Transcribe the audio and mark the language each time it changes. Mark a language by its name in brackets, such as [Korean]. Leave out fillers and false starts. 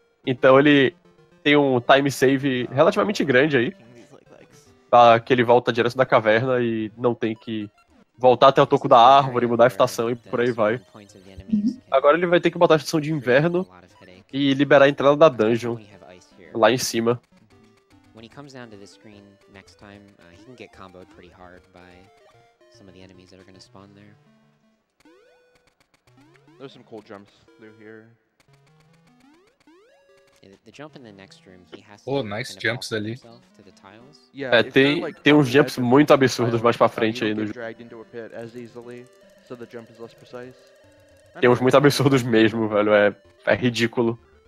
[Portuguese] Então ele tem um time save relativamente grande aí, pra que ele volta direto da caverna e não tem que voltar até o topo da árvore, mudar a estação e por aí vai. Agora ele vai ter que botar a estação de inverno e liberar a entrada da dungeon lá em cima. [English] Next time, he can get comboed pretty hard by some of the enemies that are gonna spawn there. There's some cool jumps through here. Yeah, the jump in the next room, he has to... Oh, nice jumps ali. To the tiles. [Portuguese] Yeah, é, tem, like, tem uns jumps muito absurdos mais pra frente aí no jogo. [English] So the jump is less precise. [Portuguese] Tem uns muito absurdos mesmo, velho, é ridículo.